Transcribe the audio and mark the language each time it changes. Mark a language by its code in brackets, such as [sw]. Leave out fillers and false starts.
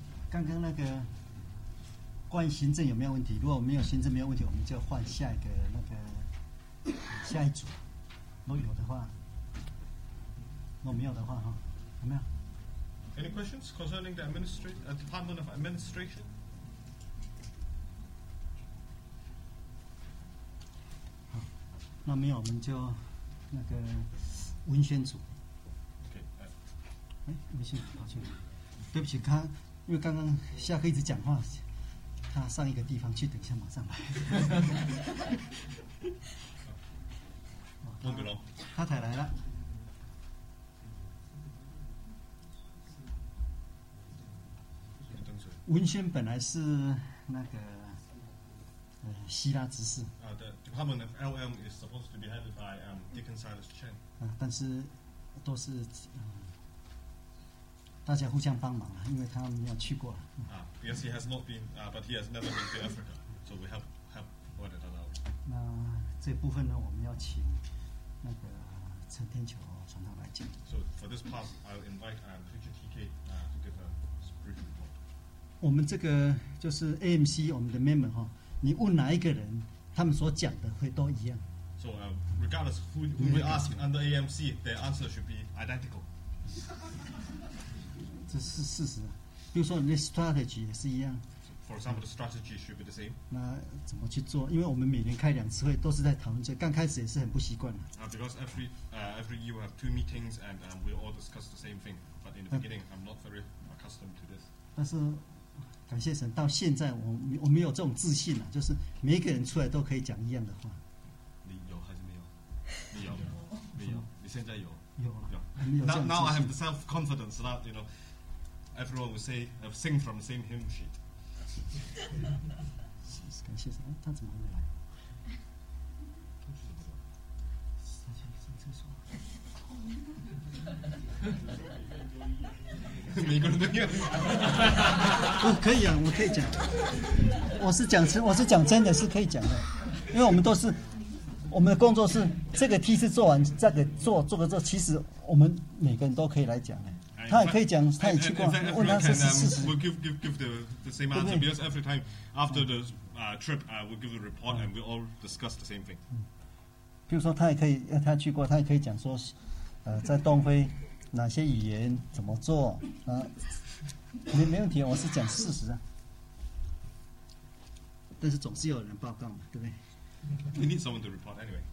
[zh] 刚刚那个关于行政有没有问题？如果没有行政没有问题，我们就换下一个那个下一组。如果有的话，如果没有的话，哈，有没有 [en] ？Any questions concerning the administration, Department of Administration? [zh] 那没有，我们就那个文宣组。 [en] Okay. [zh] 文宣，抱歉，对不起，刚因为刚刚下课一直讲话，他上一个地方去，等一下马上来。孟炳龙，他才来了。文宣本来是那个。希腊执事。 [en] The Department of LM is supposed to be headed by Deacon Silas Chen. [zh] 但是都是大家互相帮忙了，因为他没有去过。 [en] Because he has not been, but he has never been to Africa, so we have one another. [zh] 那这部分呢，我们要请那个陈天球传道来讲。 [en] So for this part, I'll invite Preacher TK to give a brief report. [zh] 我们这个就是 AMC 我们的 member 哈。你问哪一个人，他们所讲的会都一样。 [en] So regardless who we ask under AMC, their answer should be identical. [zh] 这是事实。比如说，你的 strategy 也是一样。 [en] For example, the strategy should be the same. [zh] 那怎么去做？因为我们每年开两次会，都是在讨论这，刚开始也是很不习惯的。 [en] Because every year we have two meetings and we all discuss the same thing. But in the beginning, I'm not very accustomed to this. [zh] 但是。感谢神，到现在我没有这种自信了，就是每一个人出来都可以讲一样的话。你有还是没有？你有，没有？你现在有？有了。 [en] Now I have the self confidence that you know everyone will say sing from the same hymn sheet. [zh] 感谢神，他怎么没来？每个人都念不可以啊，我可以讲，我是讲真的是可以讲的，因为我们都是我们的工作是这个 T 是做完这个做个之后，其实我们每个人都可以来讲的，他也可以讲，他也去过，问他是事实。 [en] We'll give the same answer because every time after the trip, we'll give the report and we all discuss the same thing. [zh] 比如说他也可以，他去过，他也可以讲说。在东非哪些语言怎么做啊？没问题，我是讲事实啊。但是总是有人报告嘛，对不对 [en] ？We need someone to report anyway.